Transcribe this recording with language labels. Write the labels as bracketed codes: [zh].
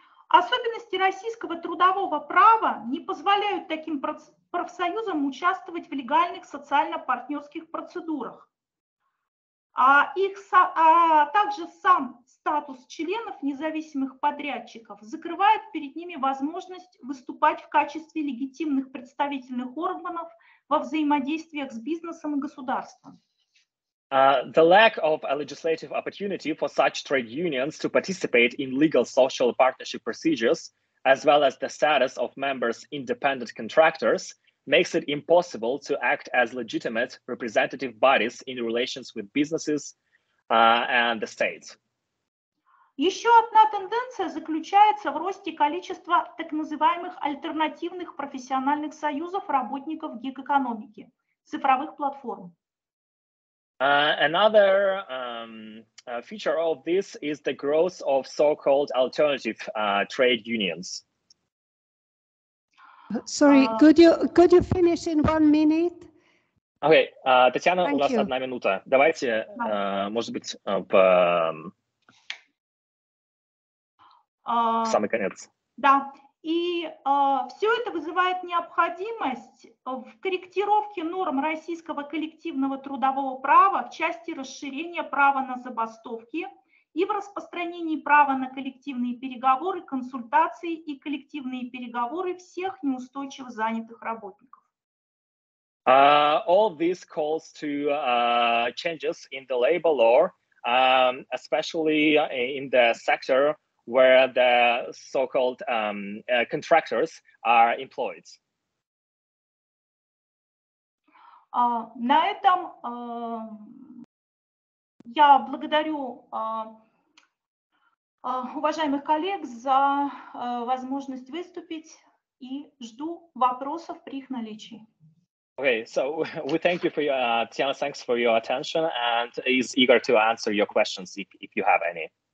[ru] Особенности российского трудового права не позволяют таким профсоюзам участвовать в легальных социально-партнерских процедурах. Также сам статус членов независимых подрядчиков закрывает перед ними возможность выступать в качестве легитимных представительных органов во взаимодействиях с бизнесом и государством. [en] The lack of a legislative opportunity for such trade unions to participate in legal social partnership procedures, as well as the status of members independent contractors, makes it impossible to act as legitimate representative bodies in relations with businesses and the state. [ru] Еще одна тенденция заключается в росте количества так называемых альтернативных профессиональных союзов работников гиг-экономики, цифровых платформ. [en] Another feature of this is the growth of so-called alternative trade unions. Sorry, could you finish in 1 minute? [ru] Okay, Татьяна, у нас одна минута. Давайте, может быть, в самый конец. Да, и все это вызывает необходимость в корректировке норм российского коллективного трудового права в части расширения права на забастовки и в распространении права на коллективные переговоры, консультации и коллективные переговоры всех неустойчиво занятых работников. [en] All this calls to changes in the labor law, especially in the sector where the so-called contractors are employed. [ru] На этом я благодарю уважаемых коллег за возможность выступить и жду вопросов при их наличии. [en] Okay, so we thank you for your, Tatiana, thanks for your attention and is eager to answer your questions if you have any.